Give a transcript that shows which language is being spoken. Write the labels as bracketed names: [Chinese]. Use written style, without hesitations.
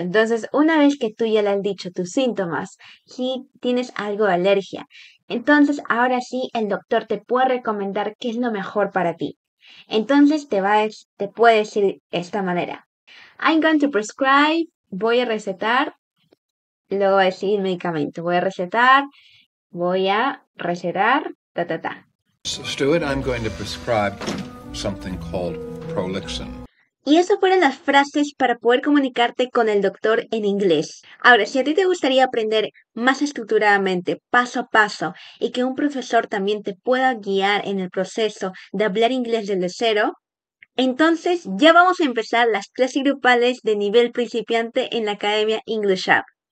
[Spanish] Entonces, una vez que tú ya le has dicho tus síntomas, si tienes algo de alergia, entonces ahora sí el doctor te puede recomendar qué es lo mejor para ti. Entonces te puede decir de esta manera. [English] I'm going to prescribe. [Spanish] Voy a recetar, luego voy a decir medicamento. Voy a recetar, ta, ta, ta. [English] So, Stuart, I'm going to prescribe something called Prolixin. [Spanish] Y esas fueron las frases para poder comunicarte con el doctor en inglés. Ahora, si a ti te gustaría aprender más estructuradamente, paso a paso, y que un profesor también te pueda guiar en el proceso de hablar inglés desde cero, entonces, ya vamos a empezar las clases grupales de nivel principiante en la Academia English App.